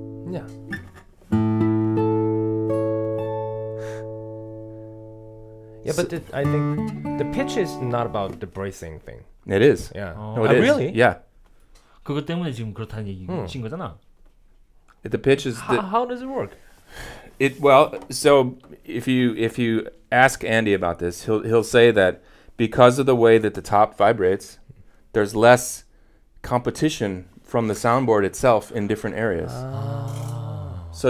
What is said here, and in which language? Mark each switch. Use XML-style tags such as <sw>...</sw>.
<en>Yeah. Yeah, but I think the pitch is not about the bracing thing. It is. Yeah. Oh. No, it is. Really? Yeah.</en> <ko>그것 때문에 지금 그렇다는 얘기인 거잖아.</ko> <en>The pitch is. How does it work? It well, so if you ask Andy about this, he'll say that because of the way that the top vibrates, there's less competition from the soundboard itself in different areas. Ah.</en>